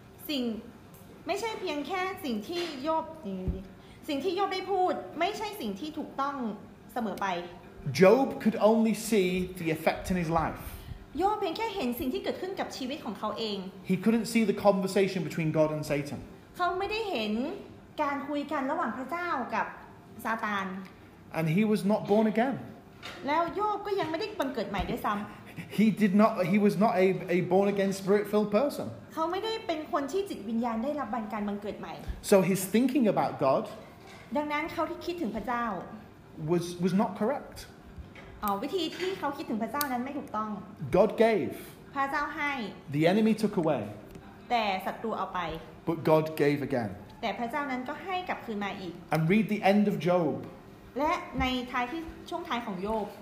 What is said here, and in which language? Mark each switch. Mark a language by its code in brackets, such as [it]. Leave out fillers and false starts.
[th] สิ่งไม่ใช่เพียงแค่สิ่งที่โยบสิ่งที่โยบได้พูดไม่ใช่สิ่งที่ถูกต้องเสมอไป [en] Job could only see the effect in his life [th] โยบเพียงแค่เห็นสิ่งที่เกิดขึ้นกับชีวิตของเขาเอง [en] He couldn't see the conversation between God and Satan [th] เขาไม่ได้เห็นการคุยกันระหว่างพระเจ้ากับซาตาน [en] And he was not born again. [th] แล้วโยบก็ยังไม่ได้บังเกิดใหม่ด้วยซ้ำ [en] He did not. He was not a born again, spirit filled person. [th] เขาไม่ได้เป็นคนที่จิตวิญญาณได้รับการบังเกิดใหม่ [en] So his thinking about God. [th] ดังนั้นเขาที่คิดถึงพระเจ้า [en] was not correct. [th] วิธีที่เขาคิดถึงพระเจ้านั้นไม่ถูกต้อง [en] God gave. [th] พระเจ้าให้ [en] The enemy took away. [th] แต่ศัตรูเอาไป [en] But God gave again. [th] แต่พระเจ้านั้นก็ให้กลับคืนมาอีก [en] And read the end of Job. [th] และในท้ายที่ช่วงท้ายของโยบ